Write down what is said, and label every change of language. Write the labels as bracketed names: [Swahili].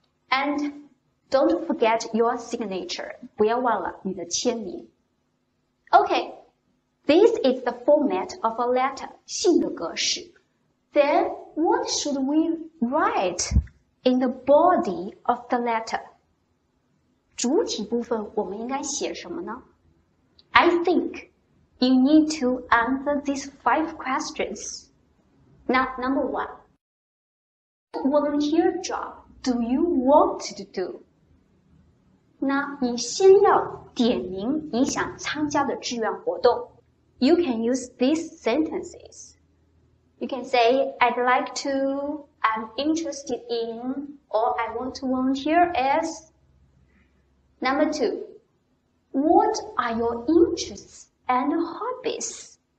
[English] AndDon't forget your signature. [Chinese] 不要忘了你的签名。 [English] Okay, this is the format of a letter, [Chinese] 信的格式。 [English] Then, what should we write in the body of the letter? [Chinese] 主体部分我们应该写什么呢？ [English] I think you need to answer these five questions. Now, number one. What volunteer job do you want to do? [Chinese] 那你先要点名你想参加的志愿活动。 [English] You can use these sentences. You can say, I'd like to, I'm interested in, or I want to volunteer as. Number two, what are your interests and hobbies?